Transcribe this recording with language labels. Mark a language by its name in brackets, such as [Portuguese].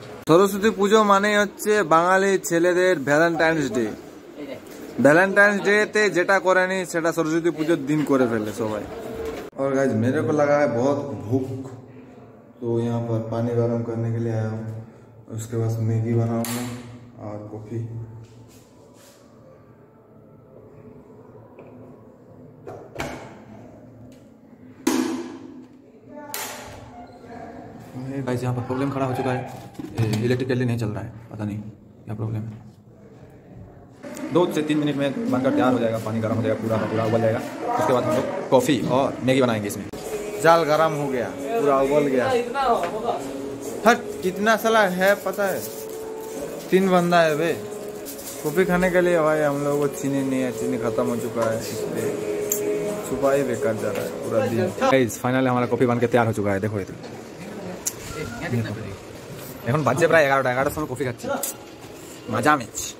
[Bangla] সরস্বতী পুজো মানে হচ্ছে বাঙালি ছেলেদের ভ্যালেন্টাইন্স ডে। ভ্যালেন্টাইন্স ডে তে যেটা করেনি সেটা সরস্বতী পুজোর দিন করে ফেলে সবাই। [Hindi] আর গাইস, মেরে কো লাগা হ্যায় বহুত ভুখ, তো ইয়াহাঁ পর পানি গরম করনে কে লিয়ে আয়া হুঁ। उसके बाद मैगी बनाऊंगा और कॉफी। गाइस, यहाँ पर प्रॉब्लम खड़ा हो चुका है, इलेक्ट्रिकली नहीं चल रहा है, पता नहीं क्या प्रॉब्लम है। 2 से 3 मिनट में बनकर तैयार हो जाएगा, पानी गर्म हो जाएगा, पूरा पूरा उबल जाएगा, उसके बाद हम लोग कॉफी और मैगी बनाएंगे। इसमें जाल गर्म हो गया, पूरा उबल गया। हट, कितना साला है पता है? 3 बंदा है बे। कॉफी खाने के लिए भाई हम लोगों को चीनी नहीं है, चीनी खत्म हो चुका है, इसलिए सुबह ही बेकार जा रहा है पूरा दिन। गाइस, फाइनली हमारा कॉफी बनके तैयार हो चुका है, देखो इधर। [Bangla] এখন বাজে প্রায় 11টা, 11টার সময় কফি খাচ্ছি, মজা মেছ।